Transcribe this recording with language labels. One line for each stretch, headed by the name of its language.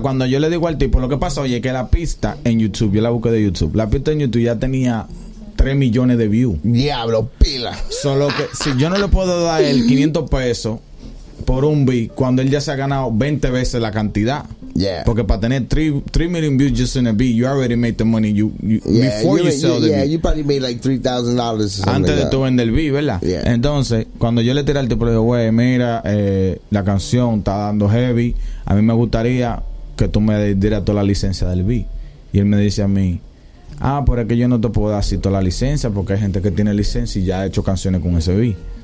Spanish: Cuando yo le digo al tipo, lo que pasa, oye, que la pista en YouTube, yo la busqué de YouTube, la pista en YouTube ya tenía 3 millones de views. Diablo, pila. Solo que si yo no le puedo dar el 500 pesos por un beat cuando él ya se ha ganado 20 veces la cantidad.
English: Yeah.
Spanish: Porque para tener
English: 3 million views just in a beat, you already made the money. You probably made like $3,000. like
Spanish: de tu vender el beat, ¿verdad?
English: Yeah.
Spanish: Entonces, cuando yo le tiré al tipo, le dije, güey, mira, la canción está dando heavy. A mí me gustaría que tú me dieras toda la licencia del beat. Y él me dice a mí, pero es que yo no te puedo dar así toda la licencia porque hay gente que tiene licencia y ya ha hecho canciones con ese beat.